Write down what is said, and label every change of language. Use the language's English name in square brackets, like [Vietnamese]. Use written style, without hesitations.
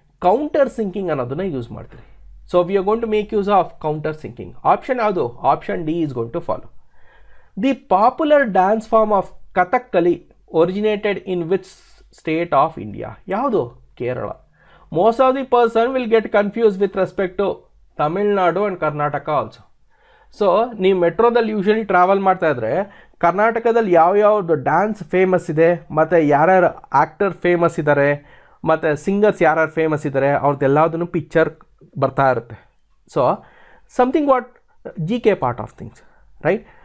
[English] counter sinking [Kannada] ಅನ್ನೋದನ್ನು use ಮಾಡ್ತೀರಿ. [English] So we are going to make use of counter sinking. [Kannada] Option ಯಾವುದು? [English] Option D is going to follow. The popular dance form of Kathakali originated in which state of India? [Kannada] ಯಾವುದು? [English] Kerala. most of the person will get confused with respect to Tamil Nadu and Karnataka also. [Kannada] So, ನೀ ಮೆಟ್ರೋದಲ್ಲಿ usually travel ಮಾಡ್ತಾ ಇದ್ರೆ ಕರ್ನಾಟಕದಲ್ಲಿ ಯಾವ್ಯಾವ್ದು dance famous ಇದೆ, ಮತ್ತು ಯಾರ್ಯಾರು actor famous ಇದ್ದಾರೆ, ಮತ್ತು ಸಿಂಗರ್ಸ್ ಯಾರ್ಯಾರು ಫೇಮಸ್ ಇದ್ದಾರೆ, ಅವ್ರದ್ದೆಲ್ಲದನ್ನು ಪಿಕ್ಚರ್ ಬರ್ತಾ ಇರುತ್ತೆ. [English] So something what G K part of things, right?